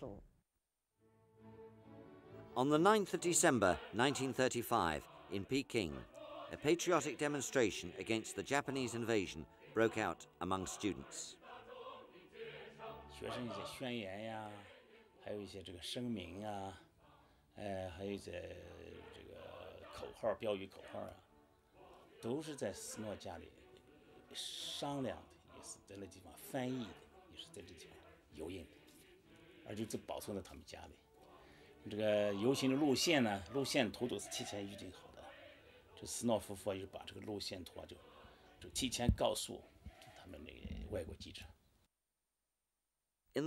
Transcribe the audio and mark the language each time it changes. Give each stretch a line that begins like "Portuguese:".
Chinese: 就是那些爱国学生不是到那里去碰头啊聚会啊成了爱国学生的一个碰头的地点和庇护所。On
English: the 9th of December 1935 in Peking, a patriotic demonstration against the Japanese invasion broke out among students.
Chinese: 学生一些宣言呀，还有一些这个声明啊，还有一些这个口号，标语口号啊。都是在斯诺家里商量的，也是在那地方翻译的，也是在这地方游印的，而就保存在他们家里。这个游行的路线呢，路线图都是提前预定好的。这斯诺夫妇就把这个路线图啊，就提前告诉他们那个外国记者。In